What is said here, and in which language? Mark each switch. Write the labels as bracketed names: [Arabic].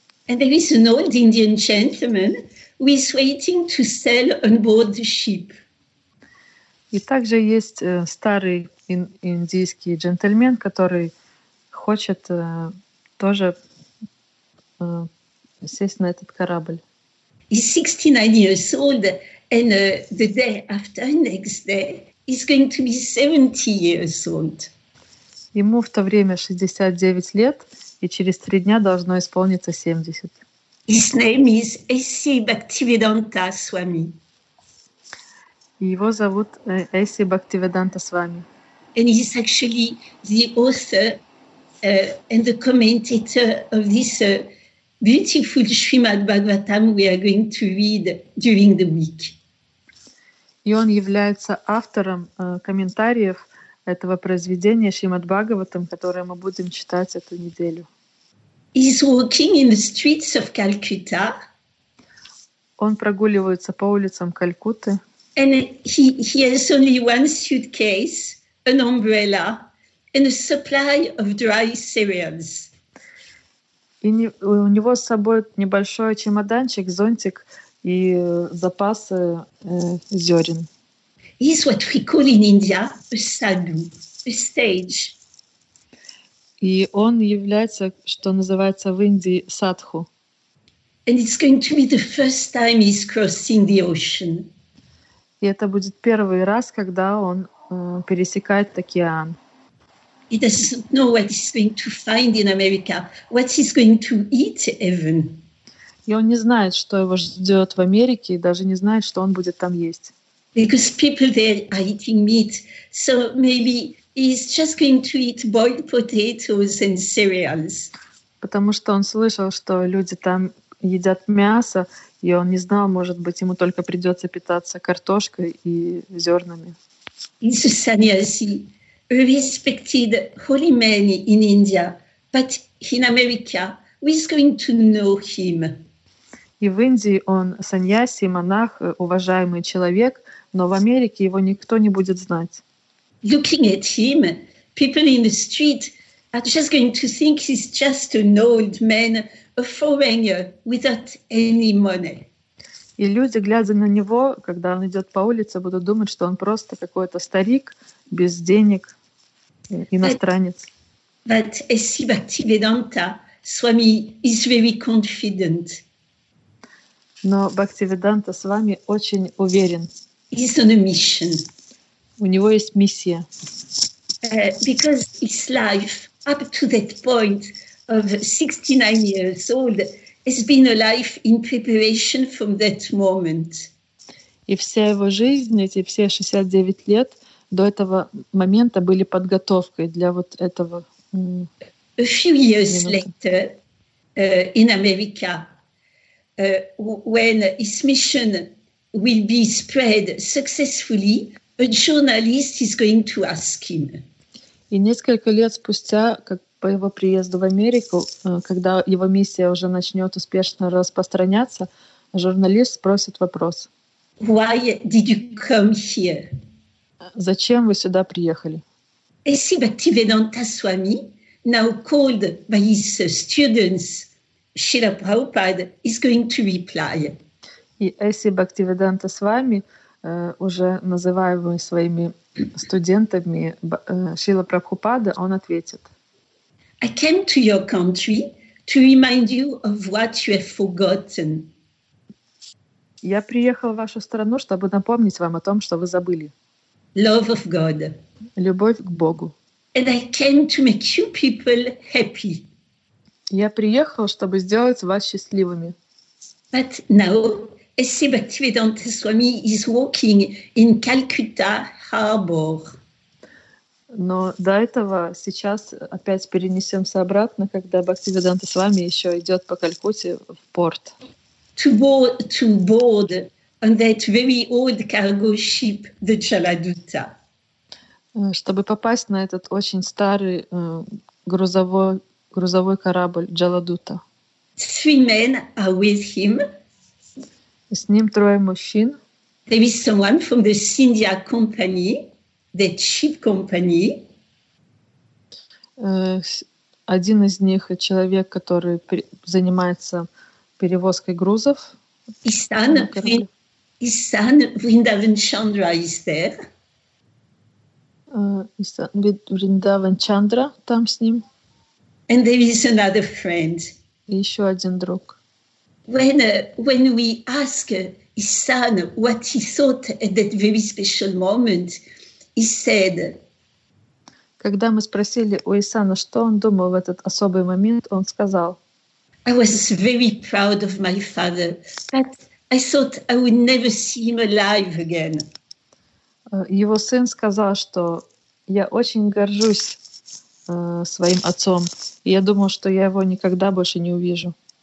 [English] And there is an old Indian gentleman who is waiting to sail on board the ship. [Russian] И также есть старый индийский джентльмен, который хочет тоже сесть на этот корабль. [English] He's 69 years old, and the day after next day, he's going to be 70 years old. [Russian] Ему в то время 69 лет, и через 3 дня должно исполниться 70. [English] His name is Эсси Бхактивиданта Свами. [Russian] Его зовут Эсси Бхактивиданта Свами. [English] And he's actually the author and the commentator of this beautiful Srimad Bhagavatam we are going to read during the week. [Russian] И он является автором комментариев этого произведения Шримад Бхагаватам, которое мы будем читать эту неделю. [English] He's walking in the streets of Calcutta. [Russian] Он прогуливается по улицам Калькутты. [English] And he has only one suitcase, an umbrella, and a supply of dry cereals. [Russian] И у него с собой небольшой чемоданчик, зонтик и запасы зерен. [English] He's what we call in India a sadhu, a sage. [Russian] И он является, что называется в Индии, садху. [English] And it's going to be the first time he's crossing the ocean. [Russian] И это будет первый раз, когда он пересекает океан. [English] He doesn't know what he's going to find in America, what he's going to eat even. [Russian] И он не знает, что его ждет в Америке, и даже не знает, что он будет там есть. [English] Because people there are eating meat, so maybe he's just going to eat boiled potatoes and cereals. [Russian] Потому что он слышал, что люди там едят мясо, и он не знал, может быть, ему только придется питаться картошкой и зернами. [English] He's a sannyasi, a respected holy man in India, but in America, who's going to know him? [Russian] И в Индии он саньяси, монах, уважаемый человек. Но в Америке его никто не будет знать. [English] Looking at him, people in the street are just going to think he's just an old man, a foreigner without any money. [Russian] И люди, глядя на него, когда он идет по улице, будут думать, что он просто какой-то старик без денег, иностранец. [English] But as Bhaktivedanta Swami is very confident. [Russian] Но Бхактивиданта Свами очень уверен. [English] He's on a mission. [Russian] У него есть миссия. [English] Because his life up to that point of 69 years old has been a life in preparation from that moment. [Russian] И вся его жизнь, эти все 69 лет до этого момента были подготовкой для вот этого. [English] A few years later, in America, when his mission will be spread successfully, a journalist is going to ask him. [Russian] И несколько лет спустя, как по его приезду в Америку, когда его миссия уже начнет успешно распространяться, журналист спросит вопрос. [English] Why did you come here? [Russian] Зачем вы сюда приехали? [English] Эси Бхактивиданта Свами, now called by his students, Шрила Прабхупада, is going to reply. [Russian] И Эси Бхактивиданта Свами, уже называемый своими студентами Шрила Прабхупада, он ответит. [English] I came to your country to remind you of what you have forgotten. [Russian] Я приехал в вашу страну, чтобы напомнить вам о том, что вы забыли. [English] Love of God. [Russian] Любовь к Богу. [English] And I came to make you people happy. [Russian] Я приехал, чтобы сделать вас счастливыми. [English] But now Эси Бхактивиданта Свами is walking in Calcutta Harbour. [Russian] Но до этого сейчас опять перенесемся обратно, когда Бхактивиданта Свами еще идет по Калькутте в порт. [English] To board on that very old cargo ship, the Jaladutta. [Russian] Чтобы попасть на этот очень старый грузовой корабль Jaladutta. [English] Three men are with him. [Russian] С ним трое мужчин. [English] There is someone from the Scindia company, the ship company. [Russian] Один из них человек, который занимается перевозкой грузов. [English] Isan Vrindavan Chandra is there. [Russian] Isan Vrindavan Chandra там с ним. [English] And there is another friend. [Russian] И еще один друг. [English] When we ask his son what he thought at that very special moment, he said. [Russian] Когда мы спросили у Исана, что он думал в этот особый момент, он сказал. [English] I was very proud of my father, but I thought I would never see him alive again. [Russian] Его сын сказал, что я очень горжусь своим отцом, и я думал, что я его никогда больше не увижу.